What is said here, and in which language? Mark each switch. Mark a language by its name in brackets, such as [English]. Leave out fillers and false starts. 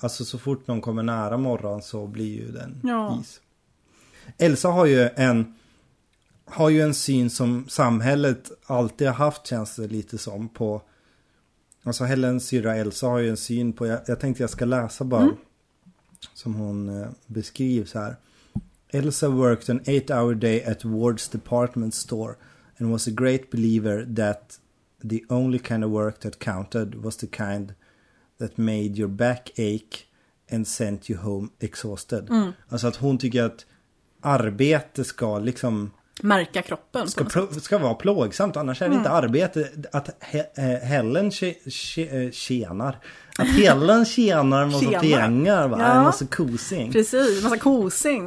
[Swedish] Alltså så fort någon kommer nära Morran så blir ju den is. Elsa har ju en syn som samhället alltid har haft, känns det lite som, på... Alltså Helens syrra Elsa har ju en syn på... Jag tänkte jag ska läsa bara som hon beskrivs här. [English] Elsa worked an 8-hour day at Ward's department store and was a great believer that... The only kind of work that counted was the kind that made your back ache and sent you home exhausted. Mm. [Swedish] Alltså att hon tycker att arbete ska liksom... Märka kroppen. Ska vara plågsamt, annars är det inte arbete. Att Helen tjänar. Att Helen tjänar en massa pengar, va? Ja. En massa kosing. Precis, en massa kosing.